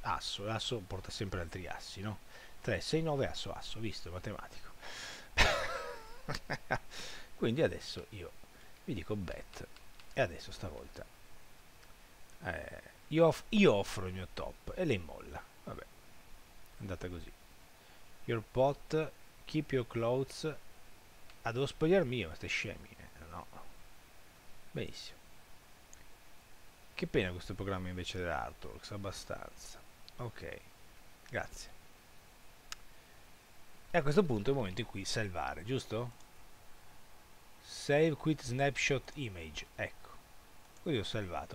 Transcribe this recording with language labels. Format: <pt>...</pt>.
<it>Asso, asso porta sempre altri assi, no? 3, 6, 9, asso, asso, visto, matematico. Quindi adesso io vi dico bet e adesso stavolta io offro il mio top e lei molla. Vabbè, è andata così.</it> <en>Your pot, keep your clothes.</en> <it>Ah, devo spogliarmi io, ma stai scemi, benissimo. Che pena questo programma invece dell'Artworks, abbastanza. Ok, grazie. E a questo punto è il momento in cui salvare, giusto?</it> <en>Save quit snapshot image,</en> <it>ecco, qui ho salvato.</it>